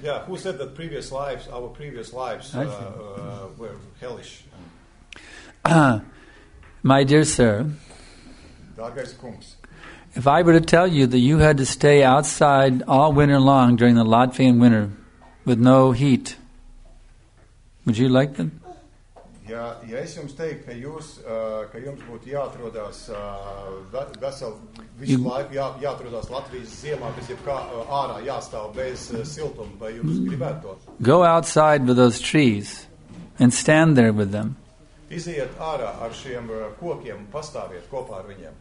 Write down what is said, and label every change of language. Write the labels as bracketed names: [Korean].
[English] Yeah, who said that previous lives, our previous lives, were hellish? My dear sir, if I were to tell you that you had to stay outside all winter long during the Latvian winter with no heat. Would you like them? [Latvian] Ja es jums teiktu, ka jūs, ka jums būtu jāatrodās veseli visu laiku, jāatrodās Latvijas ziemā, kas jebkā ārā jāstāv bez siltuma, vai jums gribētu to? [English] Go outside with those trees and stand there with them. [Latvian] Iziet ārā ar šiem kokiem, pastāviet kopā ar viņiem.